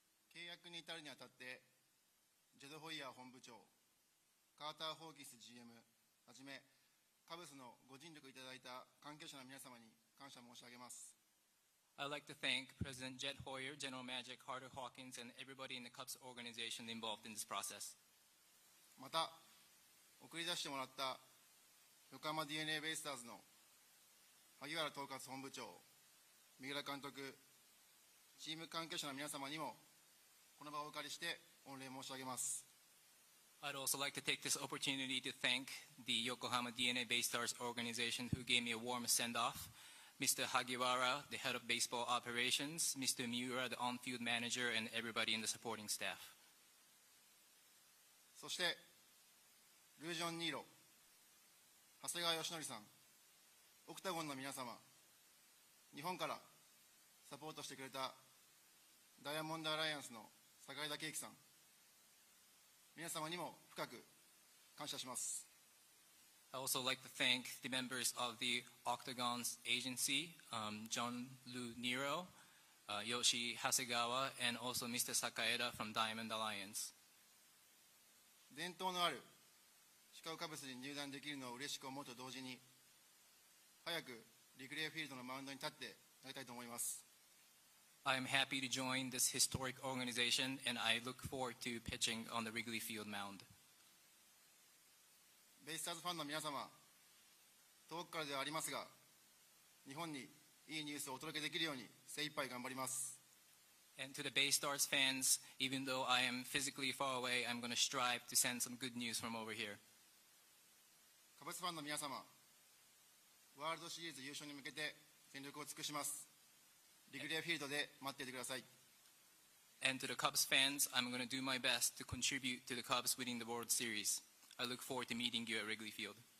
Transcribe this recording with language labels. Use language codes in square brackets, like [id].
[en] I'd like to thank President Jed Hoyer, General Manager Carter Hawkins, and everybody in the Cubs organization involved in this process. [ja] また、送り出してもらった横浜 DeNA ベイスターズの萩原統括本部長、三浦監督、チーム関係者の皆様にもこの場をお借りして御礼申し上げます。 [en] I'd also like to take this opportunity to thank the Yokohama DeNA ベイスターズ organization who gave me a warm send-off. Mr. Hagiwara, the head of baseball operations, Mr. Miura, the on-field manager, and everybody in the supporting staff. [ja] そしてルージョン・ニーロ、長谷川義則さん、オクタゴンの皆様、日本からサポートしてくれたダイヤモンドアライアンスの坂井田圭樹さん、皆様にも深く感謝します。 [en] I also like to thank the members of the Octagon's agency, John Lu Niro, Yoshi Hasegawa, and also Mr. Sakaeda from Diamond Alliance. [ja] 伝統のあるシカゴカブスに入団できるのを嬉しく思うと同時に、早くリクレーフィールドのマウンドに立ってやりたいと思います。 [en] I am happy to join this historic organization, and I look forward to pitching on the Wrigley Field mound. [ja] ベイスターズファンの皆様、遠くからではありますが、日本にいいニュースをお届けできるように精一杯頑張ります。 [en] And to the Bay Stars fans, even though I am physically far away, I'm going to strive to send some good news from over here. [ja] カブスファンの皆様、ワールドシリーズ優勝に向けて全力を尽くします。リグレーフィールドで待っていてください。 [en] And to the Cubs fans, I'm going to do my best to contribute to the Cubs winning the World Series. I look forward to meeting you at Wrigley Field.